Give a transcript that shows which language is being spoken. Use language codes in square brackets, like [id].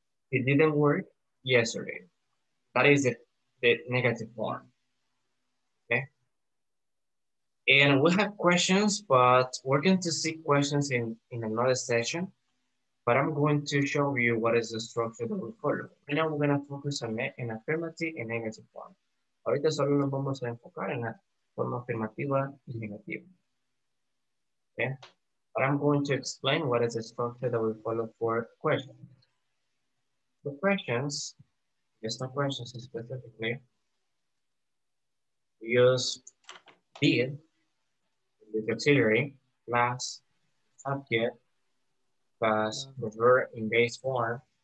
[en] It didn't work yesterday. That is the negative form. Okay. And we have questions, but we're going to see questions in another session. But I'm going to show you what is the structure that we follow. Right now we're going to focus on an affirmative and negative form. [es] Ahorita solo nos vamos a enfocar en la forma afirmativa y negativa. [en] Okay. But I'm going to explain what is the structure that we follow for questions. The questions, just not questions specifically, we use did, the auxiliary, plus subject, plus the verb in base form.